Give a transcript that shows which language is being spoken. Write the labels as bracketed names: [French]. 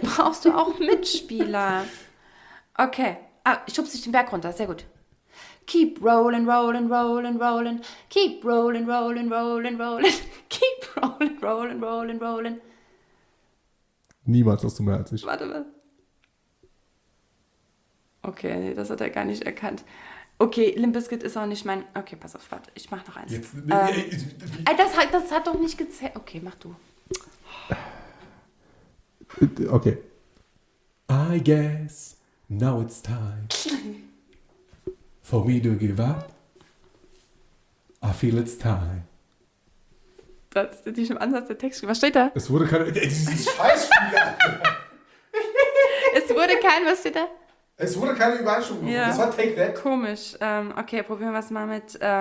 [German] brauchst du auch Mitspieler. Okay. Ah, ich schubse dich den Berg runter. Sehr gut. [English] Keep rolling, rolling, rolling, rolling. Keep rolling, rolling, rolling, rolling. Keep rolling, rolling, rolling, rolling. [German] Niemals hast du mehr als ich. Warte mal. Okay, nee, das hat er gar nicht erkannt. Okay, Limp Bizkit ist auch nicht mein... Okay, pass auf, warte, ich mach noch eins. Das hat doch nicht gezählt. Okay, mach du. [English] Okay. I guess now it's time for me to give up. I feel it's time. [German] Das ist nicht im Ansatz der Text. Was steht da? Es wurde kein... Dieses Scheißspiel. Es wurde kein... Was steht da? Es wurde keine Überraschung gemacht. Ja. Das war Take That. Komisch. Okay, probieren wir es mal mit.